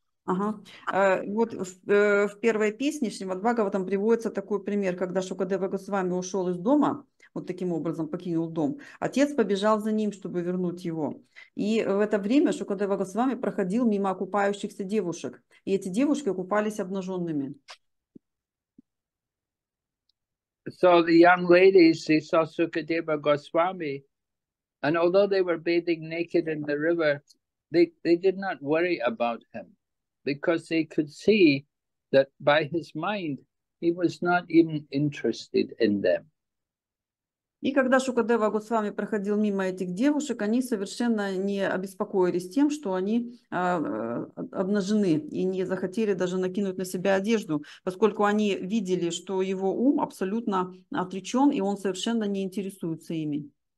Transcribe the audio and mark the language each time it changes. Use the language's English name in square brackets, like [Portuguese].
[Russian] Вот в первой песне Шримад-Бхагаватам приводится такой пример, когда Шукадева Госвами ушел из дома, вот таким образом покинул дом, отец побежал за ним, чтобы вернуть его. И в это время Шукадева Госвами проходил мимо купающихся девушек, и эти девушки купались обнаженными. [English] So the young ladies, they saw Sukadeva Goswami, and although they were bathing naked in the river, they did not worry about him, because they could see that by his mind, he was not even interested in them. [Russian] И когда Шукадева Госвами проходил мимо этих девушек, они совершенно не обеспокоились тем, что они обнажены и не захотели даже накинуть на себя одежду, поскольку они видели, что его ум абсолютно отречен, и он совершенно не интересуется ими.